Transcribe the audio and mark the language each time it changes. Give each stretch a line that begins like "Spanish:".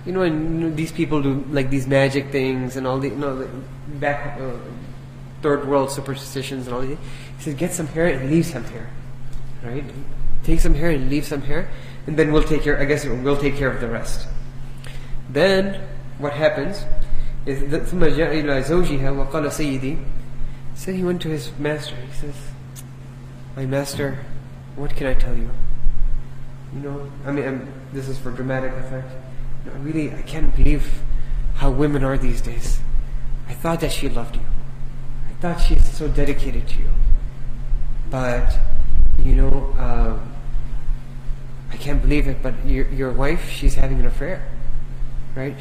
English: You know, and these people do like these magic things and all the, you know, the back third world superstitions and all these. He says, get some hair and leave some hair. Right? Take some hair and leave some hair, and then we'll take care of the rest. Then what happens is that
Arabic: ثُمَّ جَاءَ إِلَىٰ زَوْجِهَا وَقَالَ سَيِّدِي.
English: So he went to his master. He says, my master, what can I tell you? You know, I mean, this is for dramatic effect. No, really, I can't believe how women are these days. I thought that she loved you. I thought she's so dedicated to you. But, you know, I can't believe it, but your wife, she's having an affair, right?